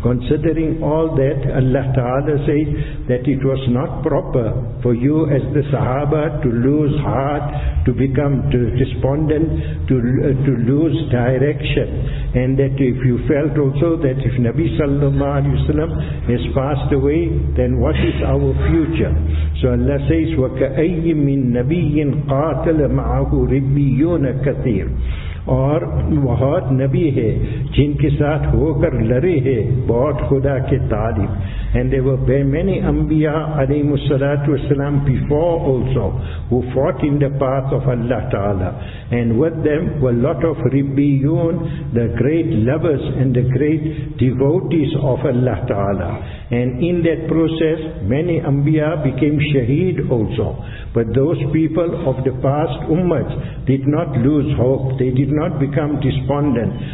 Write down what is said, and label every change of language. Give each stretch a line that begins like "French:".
English: Considering all that, Allah Ta'ala says that it was not proper for you as the Sahaba to lose heart, to become despondent, to lose direction. And that if you felt also that if Nabi sallallahu alayhi wa sallam has passed away, then what is our future? So Allah says,
Arabic: وَكَأَيِّ مِن نَبِيٍ قَاتَلَ مَعَهُ رِبِّيُّونَ كَثِيرٌ.
Urdu: اور بہت نبی ہے جن کے ساتھ ہو کر لڑے ہیں بہت خدا کے طالب.
English: And there were many anbiya alayhi musallatu wasalam before also who fought in the path of Allah Ta'ala, and with them were lot of ribbiyun, the great lovers and the great devotees of Allah Ta'ala. And in that process many anbiya became shaheed also, but those people of the past ummah did not lose hope, they did not become despondent.